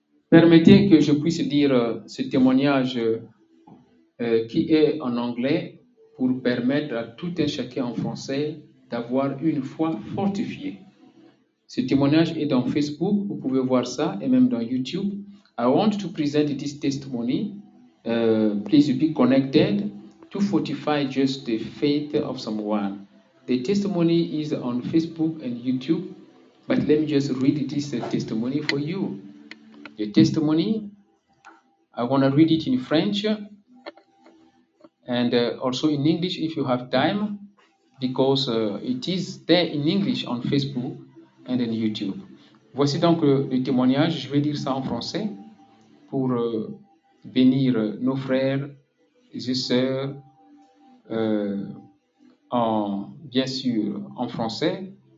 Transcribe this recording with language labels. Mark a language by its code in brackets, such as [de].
[fr] Permettez que je puisse dire ce témoignage qui est en anglais pour permettre à tout un chacun en français d'avoir une foi fortifiée. Ce témoignage est dans Facebook, vous pouvez voir ça, et même dans YouTube. [en] I want to present this testimony. Please be connected to fortify just the faith of someone. The testimony is on Facebook and YouTube, but let me just read this testimony for you. The testimony, I want to read it in French and also in English if you have time, because it is there in English on Facebook and on YouTube. [fr] Voici donc le témoignage, je vais dire ça en français pour bénir nos frères et sœurs, bien sûr en français.